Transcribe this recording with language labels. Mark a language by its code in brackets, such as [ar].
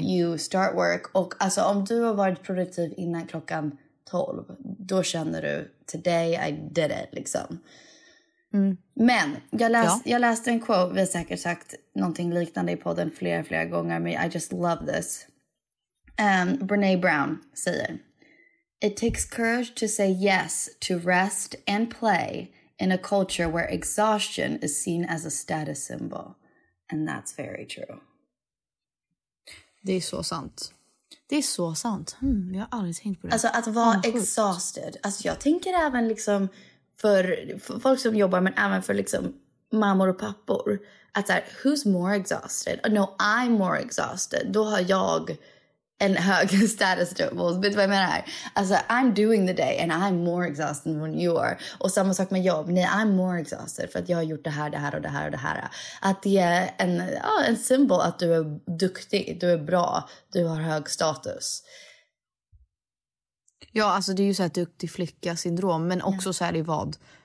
[en] You start work. [sv] Och alltså om du har varit produktiv innan 12:00, då känner du [en] today I did it [sv] liksom. Mm. Men jag läste en quote, vi har säkert sagt någonting liknande i podden flera gånger, men [en] I just love this. Brené Brown [sv] säger, [en] it takes courage to say yes to rest and play in a culture where exhaustion is seen as a status symbol, and that's very true. [sv] Det är så sant. Det är så sant. Jag har aldrig tänkt på det. Alltså att vara exhausted. Alltså jag tänker även liksom för folk som jobbar, men även för liksom mammor och pappor. Att så här, [en] who's more exhausted? Oh, no, I'm more exhausted. [sv] Då har jag en hög status symbol. Vet du vad jag menar här? [en] Alltså I'm doing the day and I'm more exhausted than you are. [sv] Och samma sak med jobb. Nej, [en] I'm more exhausted [sv] för att jag har gjort det här. Att det är en symbol att du är duktig, du är bra, du har hög status. Ja, alltså det är ju så här duktig flicka syndrom, men också så här i vad?